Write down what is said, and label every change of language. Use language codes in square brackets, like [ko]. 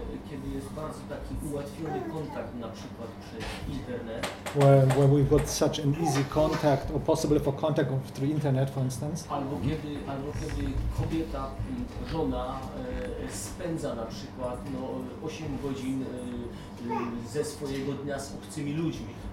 [pl] Kiedy jest bardzo taki ułatwiony kontakt, na przykład przez internet. [en] When we've got such an easy contact, or possibly for contact through internet, for instance. [pl] Albo kiedy kobieta, żona, spędza na przykład 8 godzin ze swojego dnia z obcymi ludźmi.